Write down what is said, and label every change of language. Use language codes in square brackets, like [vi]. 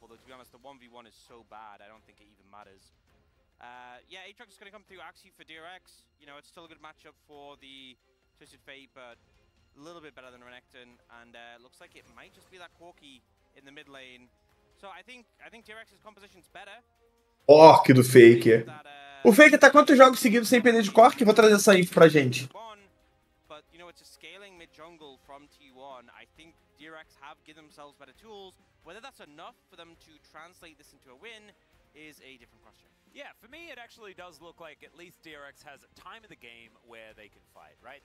[en] Although, to be honest, the 1v1 is so bad, I don't think it even matters. Yeah, Aatrox is going to come through Axie for DRX. You know, it's still a good matchup for the Twisted Fate, but a little bit better than Renekton. And it looks like it might just be that Corki in the mid lane. So I think DRX's composition's better. [pt] Orc do Faker. O Faker tá quantos jogos seguidos sem perder de Corki? Vou trazer essa info pra gente. [en] But, you know, it's a scaling mid-jungle from T1. I think DRX have given themselves better tools. Whether that's enough for them to translate this into a win is a different question. Yeah, for me, it actually does look like at least DRX has a time of the game where they can fight, right?